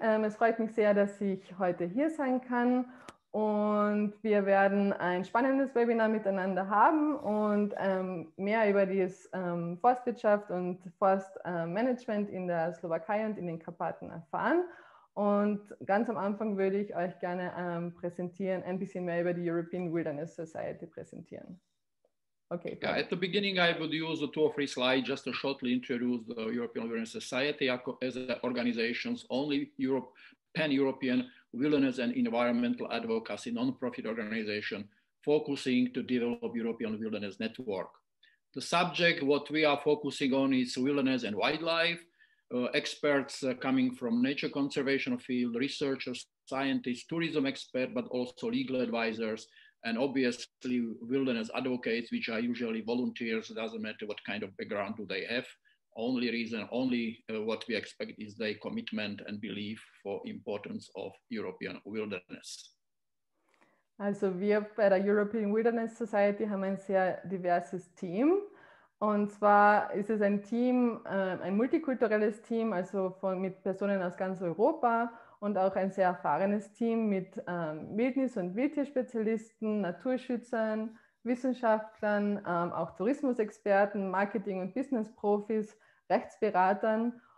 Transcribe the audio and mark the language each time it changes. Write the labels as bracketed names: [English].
[German] Es freut mich sehr, dass ich heute hier sein kann. Und wir werden ein spannendes Webinar miteinander haben und mehr über die Forstwirtschaft und Forstmanagement in der Slowakei und in den Karpaten erfahren. Und ganz am Anfang würde ich euch gerne präsentieren, ein bisschen mehr über die European Wilderness Society präsentieren. Okay. [English] Yeah, at the beginning, I would use two or three slides just to shortly introduce the European Wilderness Society as an organization's only pan-European wilderness and environmental advocacy non-profit organization focusing to develop European wilderness network. The subject what we are focusing on is wilderness and wildlife. Experts coming from nature conservation field, researchers, scientists, tourism experts, but also legal advisors, and obviously wilderness advocates, which are usually volunteers. It doesn't matter what kind of background do they have. Only reason, what we expect is their commitment and belief for importance of European wilderness. [German] Also wir bei der European Wilderness Society haben ein sehr diverses Team. Und zwar ist es ein Team, ein multikulturelles Team, also mit Personen aus ganz Europa und auch ein sehr erfahrenes Team mit Wildnis- und Wildtierspezialisten, Naturschützern, Wissenschaftlern, auch Tourismusexperten, Marketing- und Business-Profis, Rechtsberatern